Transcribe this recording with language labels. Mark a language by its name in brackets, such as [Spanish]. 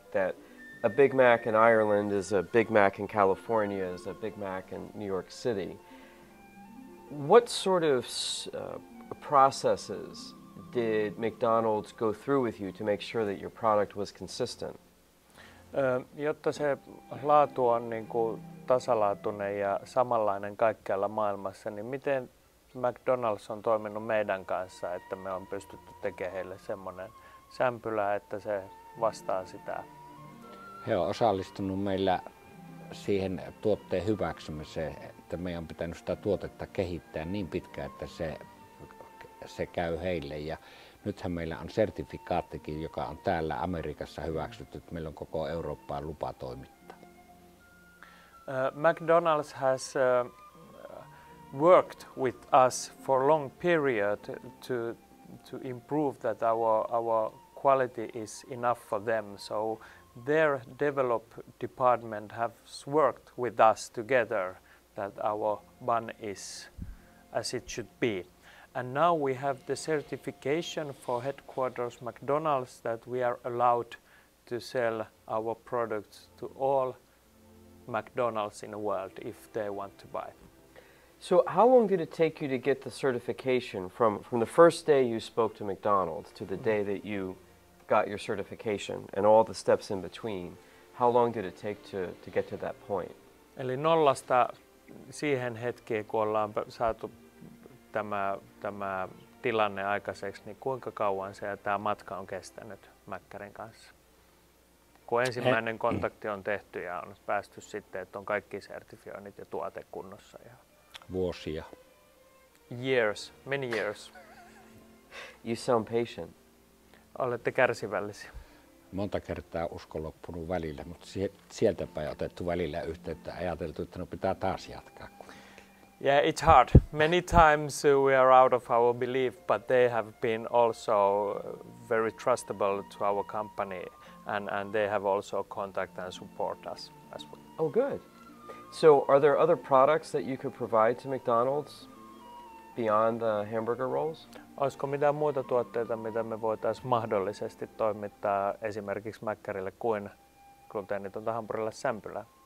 [English] That a Big Mac in Ireland is a Big Mac in California, is a Big Mac in New York City. What sort of processes did McDonald's go through with you to make sure that your product was consistent? [Finnish] Jotta se laatu on niinku tasalaatuinen ja samanlainen kaikkialla maailmassa, niin miten McDonald's on toiminut meidän kanssa, että me on pystytty tekemään heille semmoinen sämpylä, että se vastaa sitä? He on osallistunut meillä siihen tuotteen hyväksymiseen, että meidän on pitänyt sitä tuotetta kehittää niin pitkään, että se käy heille. Ja nythän meillä on sertifikaattikin, joka on täällä Amerikassa hyväksytty, että meillä on koko Eurooppaan lupa toimittaa. McDonald's has worked with us for a long period to improve that our quality is enough for them. So their develop department has worked with us together that our bun is as it should be. And now we have the certification for headquarters McDonald's that we are allowed to sell our products to all McDonald's in the world if they want to buy. So how long did it take you to get the certification from the first day you spoke to McDonald's to the day that you got your certification and all the steps in between? How long did it take to get to that point? Eli nollasta siihen hetkeen, kun ollaan saatu tämä tilanne aikaiseksi, niin kuinka kauan se tämä matka on kestänyt Mäkkärin kanssa? Kun ensimmäinen kontakti on tehty ja on päästy sitten, että on kaikki sertifioinnit ja tuote kunnossa. Ja vuosia. [English] Years, many years. You sound patient. [Finnish] Olette kärsivällisiä. Monta kertaa usko loppunut välillä, mutta sieltäpä otettu välillä yhteyttä, ajateltu, että no pitää taas jatkaa. [English] Yeah, it's hard. Many times we are out of our belief, but they have been also very trustable to our company and they have also contact and support us as well. Oh, good. So are there other products that you could provide to McDonald's beyond the hamburger rolls? [Finnish] Olisiko mitään muuta tuotteita, mitä me voitaisiin mahdollisesti toimittaa esimerkiksi Mäkkärille kuin gluteenitonta hampurilaissämpylää?